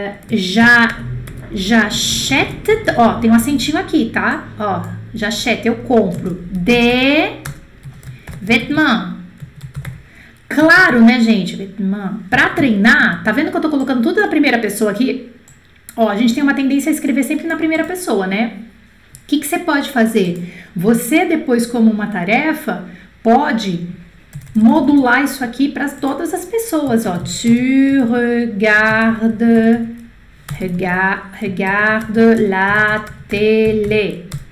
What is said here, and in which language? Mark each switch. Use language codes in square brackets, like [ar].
[pt] J'achète, ó, tem um acentinho aqui, tá? Ó, j'achète, eu compro [fr] de vêtements. [pt] Claro, né, gente? Para treinar, tá vendo que eu tô colocando tudo na primeira pessoa aqui? Ó, a gente tem uma tendência a escrever sempre na primeira pessoa, né? O que que você pode fazer? Você, depois, como uma tarefa, pode modular isso aqui para todas as pessoas, ó. [fr] Tu regardes, regarde la télé.